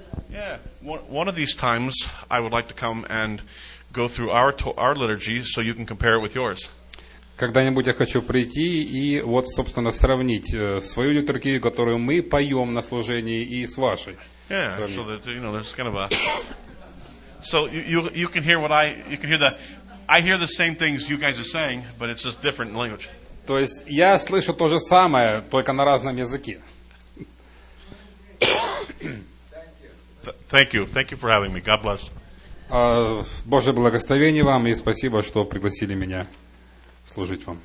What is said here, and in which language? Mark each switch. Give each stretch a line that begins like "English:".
English: Yeah. One of these times, I would like to come and go through our liturgy so you can compare it with yours.
Russian: Когда-нибудь я хочу прийти и вот, собственно, сравнить свою литургию, которую мы поем на служении, и с вашей.
English: Yeah,
Russian: сравнить.
English: So that, you know, there's kind of a... So you can hear what I... You can hear the... I hear the same things you guys are saying, but it's just different in language.
Russian: То есть я слышу то же самое, только на разном языке.
English: Thank you for having me. God bless.
Russian: Божье благословение вам и спасибо, что пригласили меня служить вам.